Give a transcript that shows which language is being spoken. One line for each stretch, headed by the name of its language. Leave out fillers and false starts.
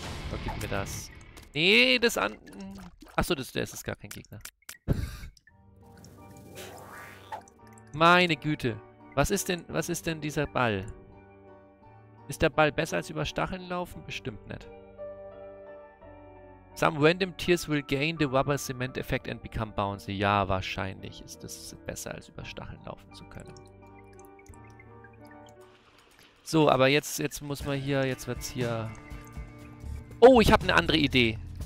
German: Vergib mir das. Nee, das an... Achso, das ist gar kein Gegner. Meine Güte. Was ist denn dieser Ball? Ist der Ball besser als über Stacheln laufen? Bestimmt nicht.
English: Some random tears will gain the rubber cement effect and become bouncy.
German: Ja, wahrscheinlich ist es besser als über Stacheln laufen zu können. So, aber jetzt muss man hier, jetzt wird's hier Oh, ich habe eine andere Idee.